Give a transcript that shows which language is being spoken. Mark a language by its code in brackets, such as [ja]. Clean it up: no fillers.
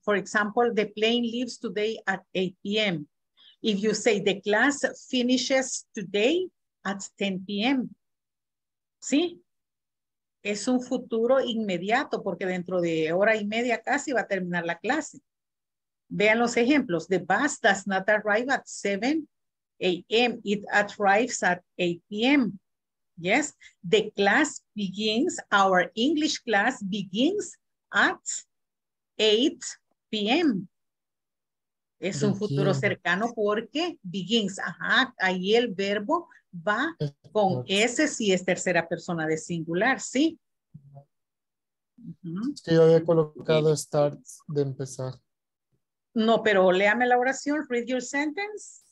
[en] For example, the plane leaves today at 8 p.m. If you say the class finishes today at 10 p.m. [es] ¿Sí? Es un futuro inmediato porque dentro de hora y media casi va a terminar la clase. Vean los ejemplos. [en] The bus does not arrive at 7 a.m. It arrives at 8 p.m. Yes, the class begins, our English class begins at 8 p.m. [es] Es un futuro cercano porque begins, ajá, ahí el verbo va con S si es tercera persona de singular, ¿sí? Sí, yo había colocado start de empezar. No, pero léame la oración, [en] read your sentence.